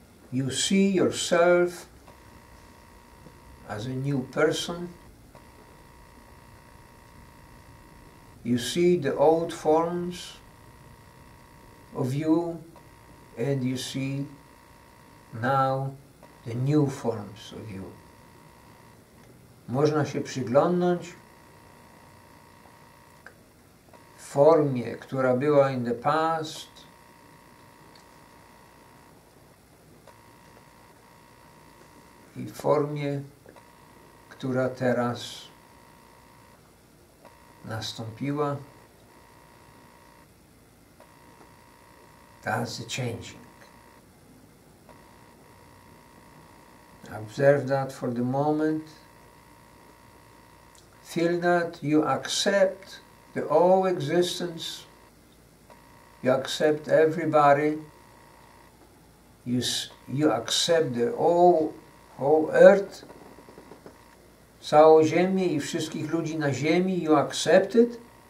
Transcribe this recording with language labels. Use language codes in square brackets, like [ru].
[en] You see yourself as a new person. You see the old forms of you, and you see now the new forms of you. [pl] Można się przyglądnąć formie, która była [en] in the past, [pl] i formie, która teraz nastąpiła. [en] That's the changing. Observe that for the moment. Feel that you accept the all existence. You accept everybody. You accept the whole earth, [pl] całą ziemię i wszystkich ludzi na ziemi, [en] you accept it.